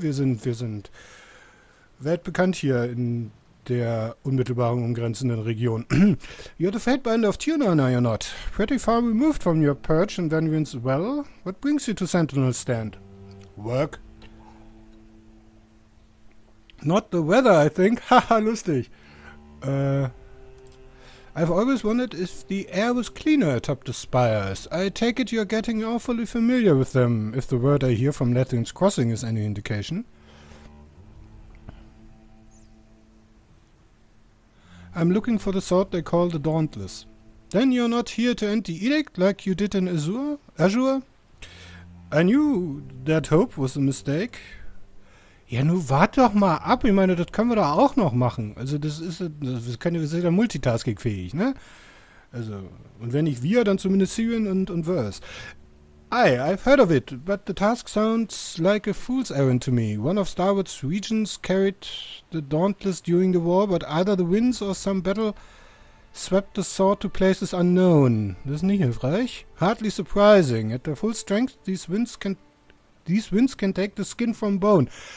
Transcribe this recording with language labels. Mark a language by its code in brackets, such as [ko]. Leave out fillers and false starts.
[de] Wir sind weltbekannt hier in der unmittelbaren umgrenzenden Region. [en] You're the Fate Binder of Tyranny, are you not? Pretty far removed from your perch and Venuin's well. What brings you to Sentinel's stand? Work. Not the weather, I think. [de] Haha, lustig. [en] I've always wondered if the air was cleaner atop the spires. I take it you're getting awfully familiar with them, if the word I hear from Lethian's Crossing is any indication. I'm looking for the sword they call the Dauntless. Then you're not here to end the edict like you did in Azure? I knew that hope was a mistake. [de] Ja, nun wart doch mal ab. Ich meine, das können wir doch auch noch machen. Also das ist ja multitaskingfähig, ne? Also, und wenn nicht wir, dann zumindest Sirian und Verse. [en] Aye, I've heard of it, but the task sounds like a fool's errand to me. One of Starwood's regions carried the Dauntless during the war, but either the winds or some battle swept the sword to places unknown. [de] Das ist nicht hilfreich. [en] Hardly surprising. At their full strength, these winds can take the skin from bone.